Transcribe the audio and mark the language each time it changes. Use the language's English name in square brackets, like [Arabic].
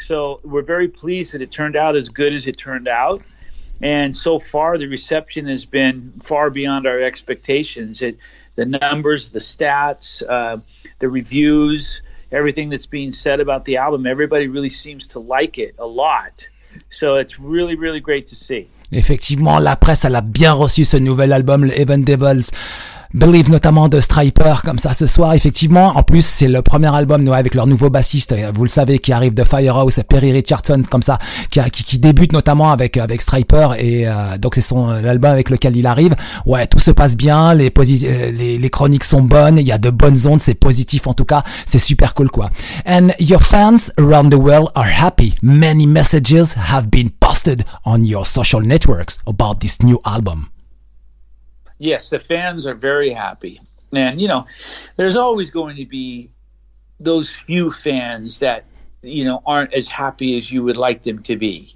[English] So we're very pleased that it turned out as good as it turned out. And so far, the reception has been far beyond our expectations. The numbers, the stats, the reviews, everything that's being said about the album, everybody really seems to like it a lot. So it's really, really great to see. [French] Effectivement, la presse, elle a bien reçu ce nouvel album, le Even Devils Believe, notamment de Striper, comme ça ce soir. Effectivement, en plus, c'est le premier album avec leur nouveau bassiste, vous le savez, qui arrive de Firehouse, Perry Richardson, comme ça, qui débute notamment avec Striper, et donc c'est son l'album avec lequel il arrive. Ouais, tout se passe bien, les chroniques sont bonnes, il y a de bonnes ondes, c'est positif en tout cas, c'est super cool quoi. [English] And your fans around the world are happy. Many messages have been posted on your social networks about this new album. Yes, the fans are very happy. And, you know, there's always going to be those few fans that, you know, aren't as happy as you would like them to be.